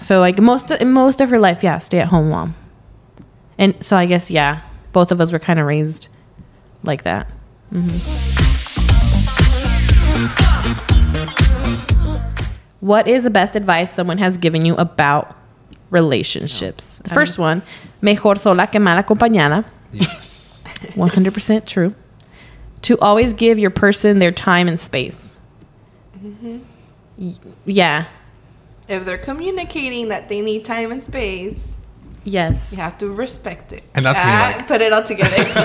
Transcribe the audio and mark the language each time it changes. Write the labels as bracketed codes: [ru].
[en] So like most of her life, yeah, stay at home mom. And so I guess, yeah, both of us were kind of raised like that. Mm-hmm. What is the best advice someone has given you about relationships? The first one, [es] mejor sola que mal acompañada. [en] Yes. 100% true. To always give your person their time and space. Yeah. If they're communicating that they need time and space, Yes. You have to respect it. And that's me, like, put it all together.